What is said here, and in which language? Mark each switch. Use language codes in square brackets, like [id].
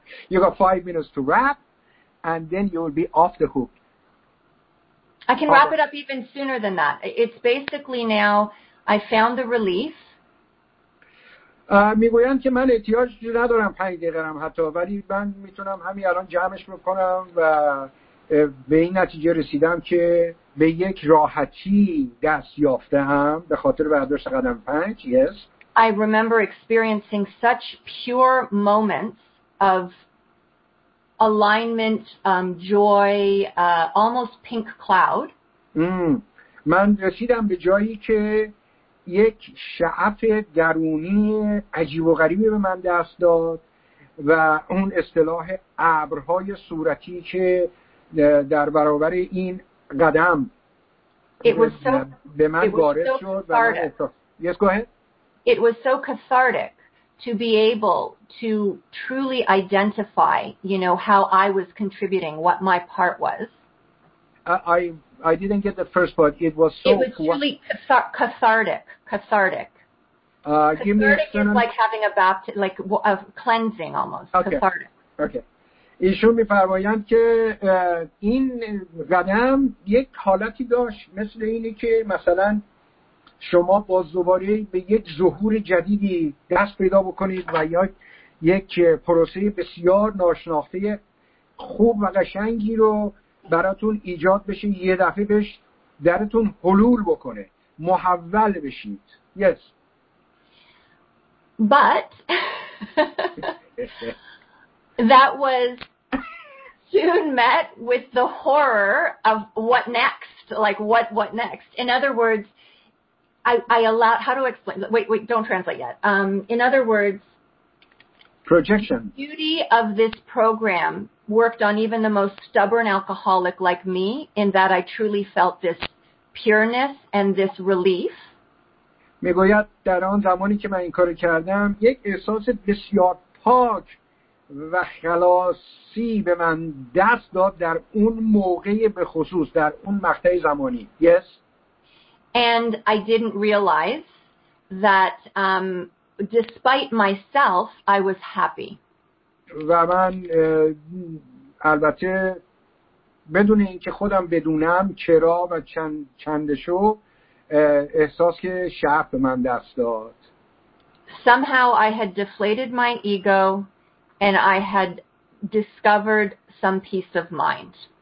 [en] You got 5 minutes to wrap, and then you will be off the hook. I can wrap it up even sooner than that. It's basically now I found the relief. [fa] میگویند که من احتیاج ندارم 5 دقیقه حتی ولی من میتونم همین الان جمعش بکنم و به این نتیجه رسیدم که به یک راحتی دست یافتم به خاطر برداشت قدم 5. [en] Yes. I remember experiencing such pure moments of alignment, joy, almost pink cloud. [fa] من رسیدم به جایی که یک شعف درونی عجیب و غریبی به من دست داد و اون اصطلاح ابرهای صورتی که در برابر این قدم به من وارد شد و من احساس. [en] Yes, go ahead. It was so cathartic to be able to truly identify, you know, how I was contributing, what my part was. I didn't get the first part. It was so. It was truly cathartic. Cathartic. Give me a cathartic is like having a baptism, like a cleansing almost. Okay. Cathartic. Okay. [fa] ایشون می‌فرمایند که این قدم یک حالتی داشت مثل اینی که مثلاً شما باز دوباره به یک ظهور جدیدی دست پیدا بکنید و یا یک پروسه بسیار ناشناخته خوب و قشنگی رو براتون ایجاد بشه یه دفعه بهش درتون حلول بکنه محول بشید. [en] Yes. But that was soon met with the horror of what next, like what next. In other words, I allowed, how do I explain? Wait, don't translate yet. In other words, projection. The beauty of this program worked on even the most stubborn alcoholic like me, in that I truly felt this pureness and this relief. [fa] میگوید در آن زمانی که من این کارو کردم یک احساس بسیار پاک و خلاصی به من دست داد در اون موقع به خصوص در اون مقطع زمانی. [en] Yes. And I didn't realize that despite myself I was happy. [fa] و من البته بدون اینکه خودم بدونم چرا و چندشو احساس که شعف به من دست داد. [en] Somehow I had deflated my ego and I had discovered some peace of mind.